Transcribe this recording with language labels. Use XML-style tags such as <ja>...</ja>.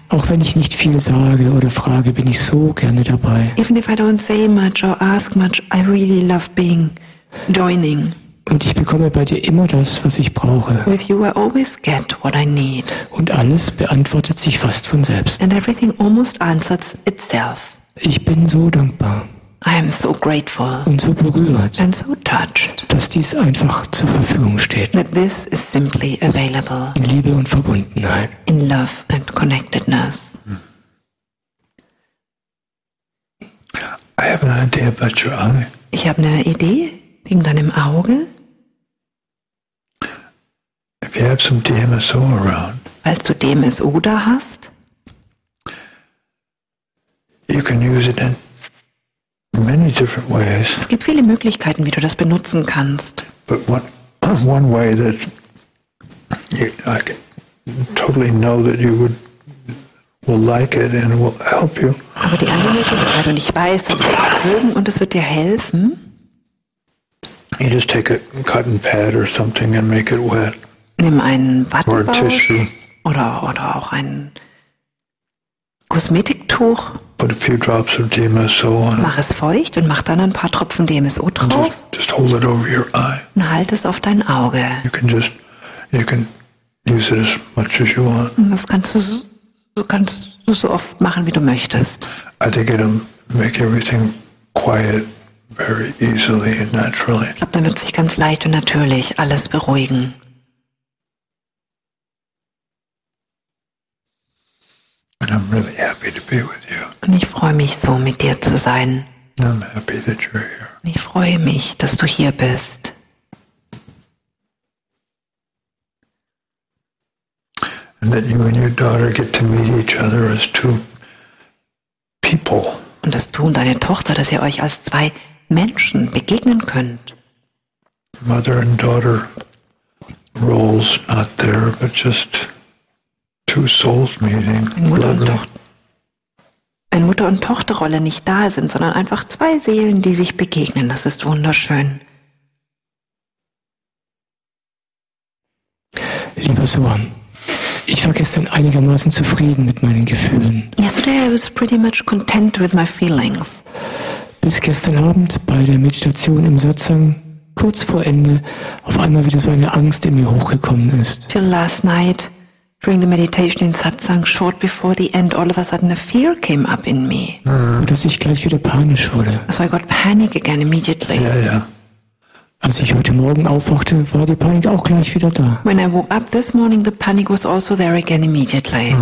<de>Auch wenn ich nicht viel sage oder frage, bin ich so gerne dabei.</de> <en>Even if I don't say much or ask much, I really love being joining.</en> <de>Und ich bekomme bei dir immer das, was ich brauche.</de> <en>With you I always get what I need.</en> <de>Und alles beantwortet sich fast von selbst.</de> <en>And everything almost answers itself.</en> <de>Ich bin so dankbar.</de> <en>I am so grateful.</en> <de>Und so berührt.</de> <en>And so touched.</en> <de>Dass dies einfach zur Verfügung steht.</de> <en>That this is simply available.</en> <de>In Liebe und Verbundenheit.</de> <en>In love and connectedness. I have an idea about your eye.</en> <de>Ich habe eine Idee. Wegen deinem Auge?</de> <en>If you have some DMSO around,</en> <de>falls du DMSO da hast,</de> <en>you can use it in many different ways.</en> <de>Es gibt viele Möglichkeiten, wie du das benutzen kannst.</de> <en>But one way that I can totally know that you would will like it and will help you.</en> <de>Aber die andere Möglichkeit, und ich weiß, es wird dir helfen und es wird dir helfen.</de> <en>You just take a cotton pad or something and make it wet.</en> <de>Nimm einen Wattebausch</de> <en>or a tissue.</en> <de>Oder auch ein Kosmetiktuch.</de> <en>Put a few drops of DMSO on it.</en> <de>Mach es feucht und mach dann ein paar Tropfen DMSO drauf.</de> <en>Just hold it over your eye.</en> <de>Und halt es auf dein Auge.</de> <en>You can Use it as much as you want.</en> <de>Das kannst du so oft machen, wie du möchtest.</de> <en>I think it'll make everything quiet very easily and naturally.</en> <de>Ich glaube, dann wird sich ganz leicht und natürlich alles beruhigen.</de> <en>And I'm really happy to be with you.</en> <de>Und ich freue mich so, mit dir zu sein.</de> <en>I'm happy that you're here.</en> <de>Ich freue mich, dass du hier bist.</de> <en>And that you and your daughter get to meet each other as two people.</en> <de>Und dass du und deine Tochter, dass ihr euch als zwei Menschen begegnen könnt.</de> <en>Mother and daughter roles not there, but just two souls meeting.</en> <de>Wenn Mutter und Tochterrolle nicht da sind, sondern einfach zwei Seelen, die sich begegnen, das ist wunderschön. Lieber Sohn, ich war gestern einigermaßen zufrieden mit meinen Gefühlen.</de> <en>Yesterday I was pretty much content with my feelings.</en> <de>Bis gestern Abend bei der Meditation im Satsang, kurz vor Ende, auf einmal wieder so eine Angst in mir hochgekommen ist.</de> <en>Till last night, during the meditation in Satsang, short before the end, all of a sudden a fear came up in me.</en> <de>Und dass ich gleich wieder panisch wurde.</de> <en>So I got panic again immediately.</en> <de>Ja, ja. Als ich heute Morgen aufwachte, war die Panik auch gleich wieder da.</de> <en>When I woke up this morning, the panic was also there again immediately.</en>